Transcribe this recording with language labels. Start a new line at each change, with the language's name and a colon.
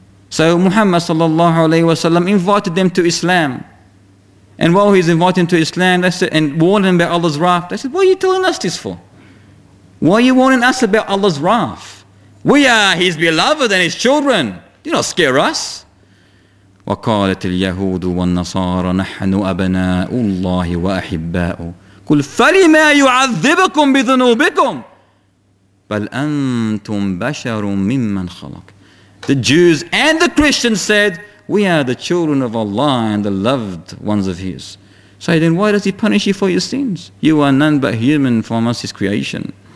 English: So Muhammad sallallahu alayhi wa sallam invited them to Islam. And while he's inviting to Islam, they said, and warning them about Allah's wrath, they said, what are you telling us this for? Why are you warning us about Allah's wrath? We are His beloved and His children. Do not scare us.
Arabic: وقالت اليهود والنصارى نحن أبناء الله وأحباؤه قل فلما يعذبكم بذنوبكم بل أنتم بشر ممن خلق.
English: The Jews and the Christians said, we are the children of Allah and the loved ones of His. So then why does He punish you for your sins? You are none but human from us, His creation.